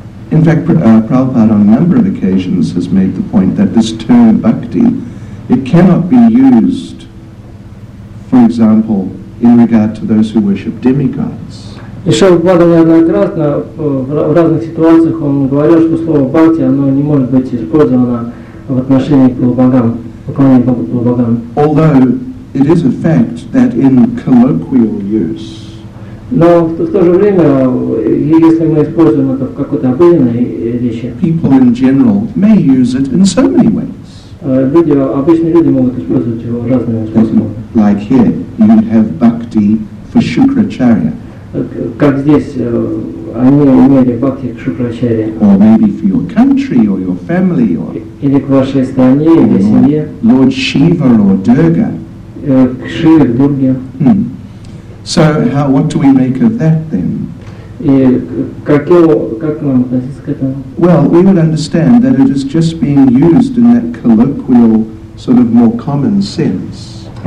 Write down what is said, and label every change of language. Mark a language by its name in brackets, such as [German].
[English] In fact, Prabhupada on a number of occasions has made the point that this term bhakti, it cannot be used, for example, in regard to those who worship demigods. [Russian] И Шрила неоднократно в разных ситуациях он говорил, что слово бхакти, оно не может быть использовано в отношении к полубогам, поклонению полубогам. [English] Although it is a fact that in colloquial use, [Russian] но в то же время, если мы используем это в какой-то обыденной речи, [English] people in general may use it in so many ways. [Russian] Обычные люди могут использовать его разными способами. [English] Like here, you have bhakti for Shukracharya. [Russian] Как здесь они имели бхакти к Шукрачарье. [English] Or maybe for your country or your family or. [Russian] Или к вашей стране или семье. [English] Lord Shiva or Durga. [Russian] К Шиве, Дурге. [English] So how, what do we make of that then? Well, we would understand that it is just being used in that colloquial, sort of more common sense.